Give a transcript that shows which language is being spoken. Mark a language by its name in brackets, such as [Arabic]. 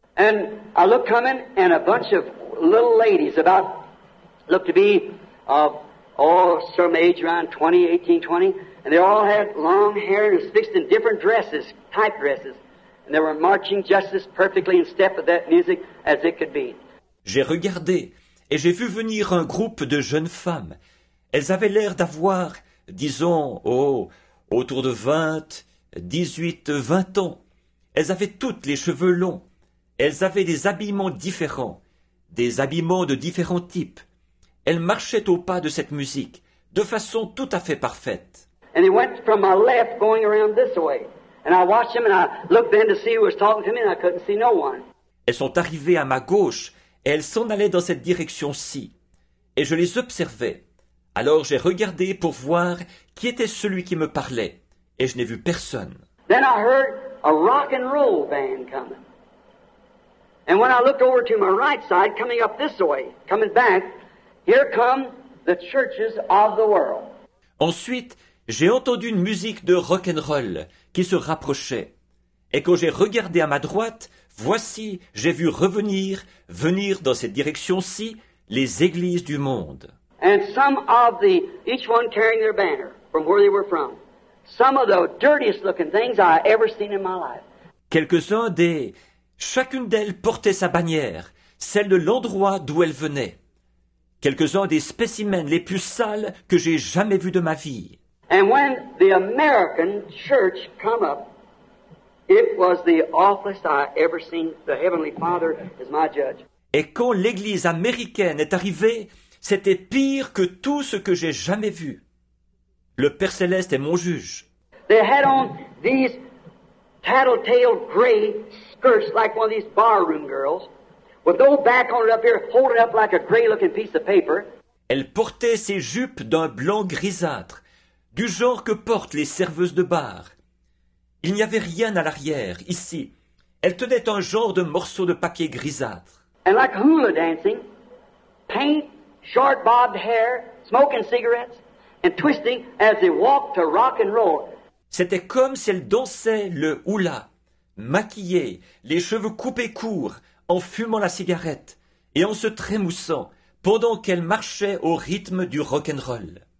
[English] And I looked coming, and a bunch of little ladies about, looked to be of all some age around 20, 18, 20, and they all had long hair and was fixed in different dresses, type dresses, and they were marching just as perfectly in step with that music as it could be. [French] J'ai regardé, et j'ai vu venir un groupe de jeunes femmes. Elles avaient l'air d'avoir, disons, autour de 20, 18, 20 ans. Elles avaient toutes les cheveux longs. Elles avaient des habillements différents, des habillements de différents types. Elles marchaient au pas de cette musique, de façon tout à fait parfaite. [English] And they went from my left going around this way. And I watched them and I looked then to see who was talking to me and I couldn't see no one. [French] Elles sont arrivées à ma gauche et elles s'en allaient dans cette direction-ci. Et je les observais. Alors j'ai regardé pour voir qui était celui qui me parlait, et je n'ai vu personne. [English] Then I heard a rock and roll band coming. And when I looked over to my right side, coming up this way, coming back, here come the churches of the world. [French] Ensuite, j'ai entendu une musique de rock and roll qui se rapprochait. Et quand j'ai regardé à ma droite, voici, j'ai vu venir dans cette direction-ci, les églises du monde. [English] And some of the, each one carrying their banner from where they were from. Some of the dirtiest looking things I ever seen in my life. [French] Quelques-uns des, chacune d'elles portait sa bannière, celle de l'endroit d'où elle venait. Quelques-uns des spécimens les plus sales que j'ai jamais vus de ma vie. [English] And when the American church come up, it was the awfulest I ever seen. The Heavenly Father is my judge. [French] Et quand l'Église américaine est arrivée, c'était pire que tout ce que j'ai jamais vu. Le Père Céleste est mon juge. [English] They had on these tattletale gray skirts like one of these barroom girls, with no back on it up here, holding up like a gray-looking piece of paper. [French] Elle portait ses jupes d'un blanc grisâtre, du genre que portent les serveuses de bar. Il n'y avait rien à l'arrière, ici. Elle tenait un genre de morceau de papier grisâtre. [English] And like hula dancing, paint, short bobbed hair, smoking cigarettes, and twisting as they walked to rock and roll. [French] C'était comme si elle dansait le hula, maquillée, les cheveux coupés courts, en fumant la cigarette et en se trémoussant pendant qu'elle marchait au rythme du rock and roll.